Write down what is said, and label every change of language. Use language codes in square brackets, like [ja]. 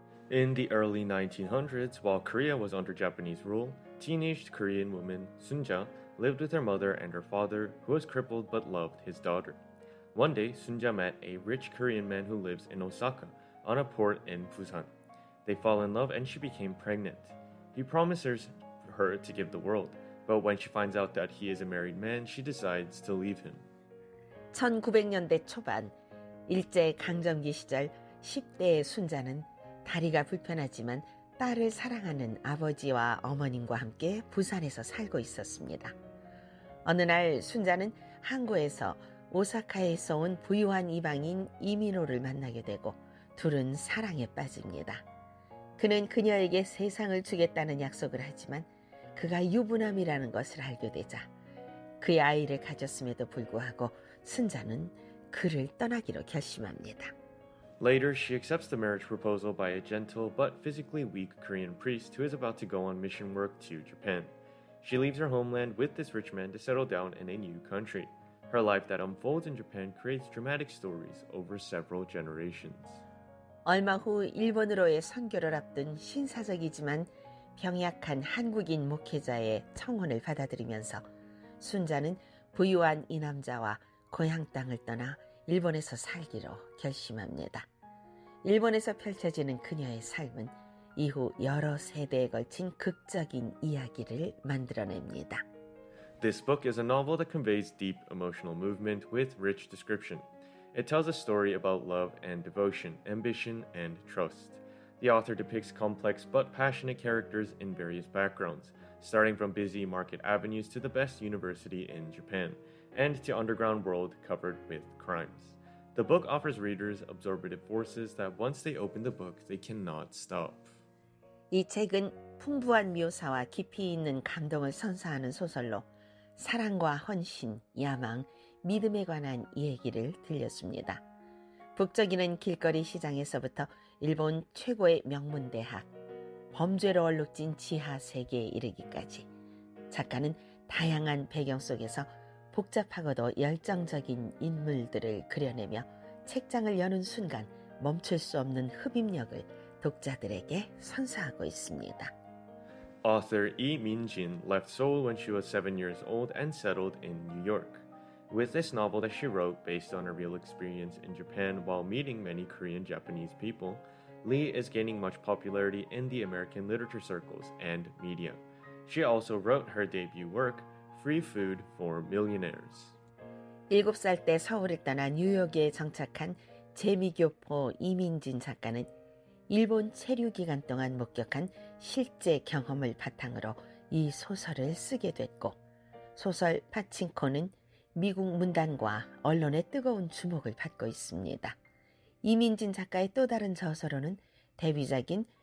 [en] 1900s, while Korea was under Japanese rule, teenaged Korean woman Sunja lived with her mother and her father, who was crippled but loved his daughter. One day, Sunja met a rich Korean man who lives in Osaka, on a port in Busan. They fall in love and she became pregnant. He promises her to give the world, but when she finds out that he is a married man, she decides to leave him. [ko] 1900년대 초반, 일제 강점기 시절 10대의 순자는 다리가 불편하지만 딸을 사랑하는 아버지와 어머님과 함께 부산에서 살고 있었습니다. 어느 날 순자는 항구에서 오사카에서 온 부유한 이방인 이민호를 만나게 되고 둘은 사랑에 빠집니다. 그는 그녀에게 세상을 주겠다는 약속을 하지만 그가 유부남이라는 것을 알게 되자 그의 아이를 가졌음에도 불구하고 순자는 그를 떠나기로 결심합니다. [en] Later, she accepts the marriage proposal by a gentle but physically weak Korean priest who is about to go on mission work to Japan. She leaves her homeland with this rich man to settle down in a new country. Her life that unfolds in Japan creates dramatic stories over several generations. [ko] 얼마 후 일본으로의 선교를 앞둔 신사적이지만 병약한 한국인 목회자의 청혼을 받아들이면서 순자는 부유한 이 남자와 고향 땅을 떠나 일본에서 살기로 결심합니다. 일본에서 펼쳐지는 그녀의 삶은 이후 여러 세대에 걸친 극적인 이야기를 만들어냅니다. [en] This book is a novel that conveys deep emotional movement with rich description. It tells a story about love and devotion, ambition and trust. The author depicts complex but passionate characters in various backgrounds, starting from busy market avenues to the best university in Japan, and to underground world covered with crimes. The book offers readers absorptive forces that once they open the book, they cannot stop. [ko] 이 책은 풍부한 묘사와 깊이 있는 감동을 선사하는 소설로 사랑과 헌신, 야망, 믿음에 관한 이야기를 들렸습니다. 북적이는 길거리 시장에서부터 일본 최고의 명문대학, 범죄로 얼룩진 지하 세계에 이르기까지 작가는 다양한 배경 속에서 복잡하고도 열정적인 인물들을 그려내며 책장을 여는 순간 멈출 수 없는 흡입력을 독자들에게 선사하고 있습니다. [en] Author Lee Min-jin left Seoul when she was 7 years old and settled in New York. With this novel that she wrote based on her real experience in Japan while meeting many Korean-Japanese people, Lee is gaining much popularity in the American literature circles and media. She also wrote her debut work, Free Food for Millionaires. [ko] 7살 때 서울을 떠나 뉴욕에 정착한 재미교포 이민진 작가는 일본 체류 기간 동안 목격한 실제 경험을 바탕으로 이 소설을 쓰게 됐고 소설 파친코는 미국 문단과 언론의 뜨거운 주목을 받고 있습니다. 이민진 작가의 또 다른 저서로는 데뷔작인